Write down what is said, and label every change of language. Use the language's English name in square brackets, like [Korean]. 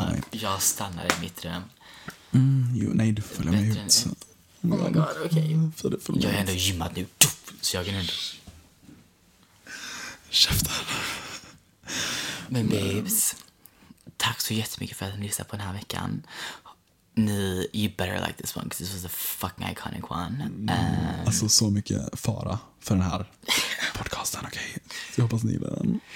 [Swedish] Jag stannar i mitt rum. Nej, du följer mig ut. Oh my god, okej. Jag är ändå gymmad nu. Så jag kan ändå. Käften. Men babes, tack så jättemycket för att ni lyssnade på den här veckan. [English] Ni, you better like this one, because this was a fucking iconic one. [Swedish] Alltså så mycket fara för den här podcasten, okej. Okay. Jag hoppas ni gillar den.